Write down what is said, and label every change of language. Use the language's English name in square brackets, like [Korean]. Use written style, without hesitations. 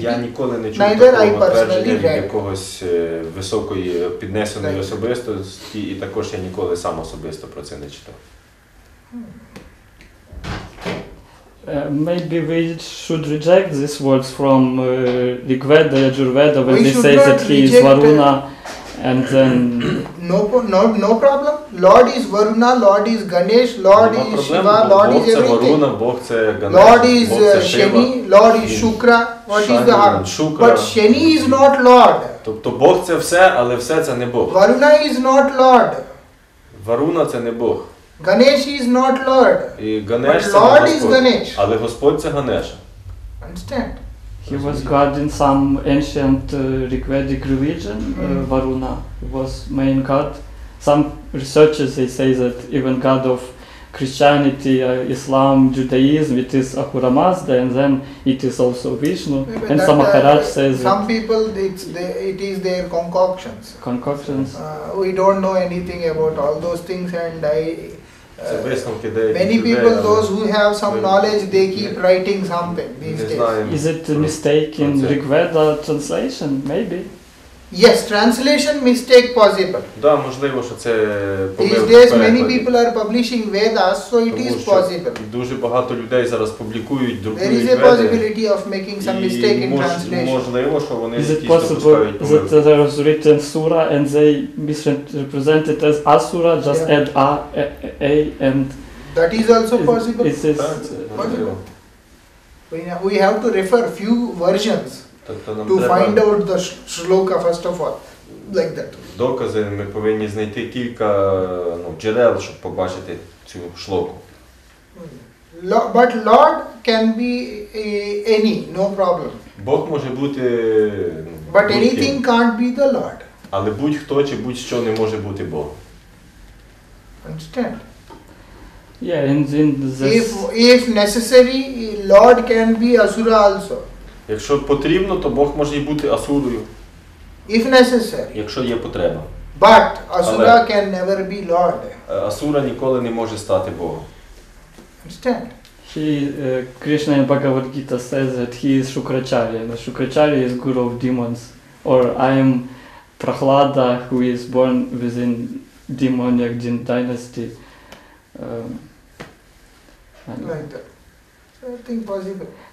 [Ukrainian] Я ніколи не чув такого твердження від якогось високої піднесеної особистості, і також я ніколи сам особисто про це не читав. [English] Maybe we should reject these words from Rig Veda, Yajur Veda, when they say that he is Varuna, and then... No problem. Lord is Varuna, Lord is Ganesh, Lord is Shiva, Lord is everything. Lord is Shani, Lord is Shukra, what is the harm? But Shani is not Lord. [Ukrainian] Тобто Бог — це все, але все — це не Бог. [English] Varuna is not Lord. [Ukrainian] Varuna — це не Бог. [English] Ganesh is not Lord, but Lord is Ganesh. [Ukrainian] Але Господь — це Ганеша. [English] Understand? He was God in some ancient Rigvedic religion, Varuna was main God. Some researchers, they say that even God of Christianity, Islam, Judaism, it is Ahura Mazda, and then it is also Vishnu. Maybe and some Maharaj says some that people, it is their concoctions. Concoctions. We don't know anything about all those things, and I... Many people, those who have some knowledge, they keep writing something these days. Is it a mistake in Rig Veda translation? Maybe. Yes, translation mistake possible. [Ukrainian] Да, можливо, що це помилка. [English] These days many people are publishing Vedas, so it is possible. [Ukrainian] Дуже багато людей зараз публікують, друкують Веди. [English] There is a possibility of making some mistake in translation. [Ukrainian] Можливо, що вони якісь допускають. [English] Is it possible that there was written Sura and they misrepresented as Asura, just add A and... That is also possible. Is this possible? We have to refer few versions. To find out the shloka first of all, like that. [Ukrainian] Докази ми повинні знайти кілька джерел, щоб побачити цю шлоку. [English] But Lord can be any, no problem. [Ukrainian] Бог може бути... [English] But anything can't be the Lord. [Ukrainian] Але будь-хто чи будь-що не може бути Бог. [English] Understand? Yeah, in this... If necessary, Lord can be Asura also. [Ukrainian] Якщо потрібно, то Бог може і бути Асурою. [English] If necessary. [Ukrainian] Якщо є потреба. [English] But Asura [Ukrainian] Але [English] can never be Lord. [Ukrainian] Асура ніколи не може стати Богом. [English] Understand? He, Krishna in Bhagavad Gita says that he is Shukracharya. And Shukracharya is guru of demons. Or I am Prahlada, who is born within demonic dynasty. Nothing possible.